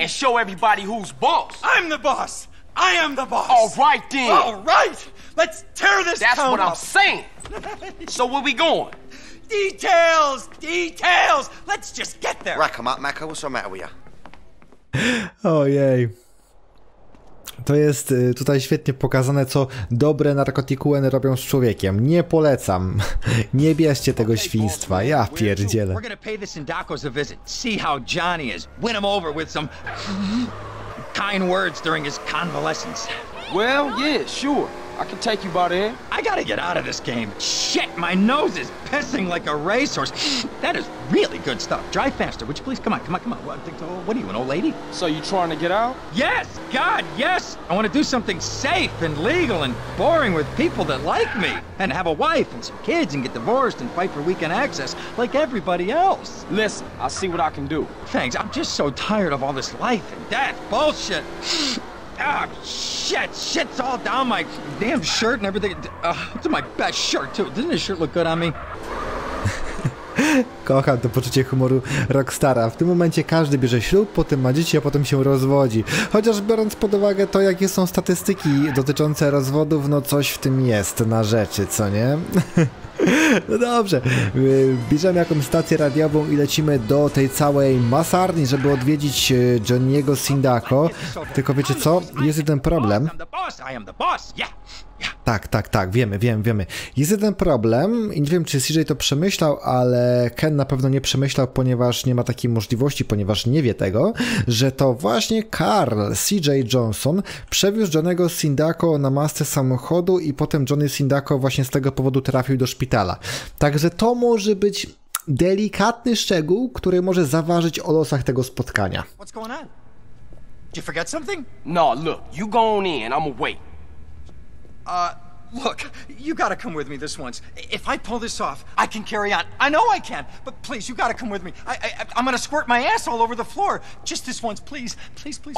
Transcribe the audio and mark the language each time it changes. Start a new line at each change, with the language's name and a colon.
English: And show everybody who's boss. I'm the boss. I am the boss. All right, then. All right. Let's tear this town up. That's what I'm saying. So where we going? Details. Details. Let's just get there. Rack 'em up, Macca. What's the matter with you?
Polish: Ojej. To jest tutaj świetnie pokazane, co dobre narkotykueny robią z człowiekiem. Nie polecam. Nie bierzcie tego świństwa. Ja pierdzielę.
English: We're gonna pay this Indaco's a visit. See how Johnny is. Win him over with some kind words during his convalescence. Well, yeah, sure. I can take you by there. I gotta get out of this game. Shit, my nose is pissing like a racehorse. That is really good stuff. Drive faster, would you please? Come on, come on, come on. What are you, an old lady? So you trying to get out? Yes, God, yes. I want to do something safe and legal and boring with people that like me. And have a wife and some kids and get divorced and fight for weekend access like everybody else. Listen, I'll see what I can do. Thanks, I'm just so tired of all this life and death bullshit. Ah, shit, shit's all down my damn shirt and everything. To my best shirt too. Didn't this shirt look good on me?
Polish: Kocham to poczucie humoru Rockstara. W tym momencie każdy bierze ślub, potem ma dzieci, a potem się rozwodzi. Chociaż biorąc pod uwagę to, jakie są statystyki dotyczące rozwodów, no coś w tym jest na rzeczy, co nie? No dobrze, bierzemy jakąś stację radiową i lecimy do tej całej masarni, żeby odwiedzić Johnny'ego Sindaco. Tylko wiecie co? Jest jeden problem. Tak, wiemy. Jest jeden problem i nie wiem, czy CJ to przemyślał, ale Ken na pewno nie przemyślał, ponieważ nie ma takiej możliwości, ponieważ nie wie tego, że to właśnie Carl CJ Johnson przewiózł Johnny'ego Sindaco na masce samochodu i potem Johnny Sindaco właśnie z tego powodu trafił do szpitala. Także to może być delikatny szczegół, który może zaważyć o losach tego spotkania.
English: What's going on? Did you forget something? No, look, you go on in, I'm away. Look, you gotta come with me this once. If I pull this off, I can carry on. I know I can, but please, you gotta come with me. I'm gonna squirt my ass all over the floor. Just this once, please, please, please.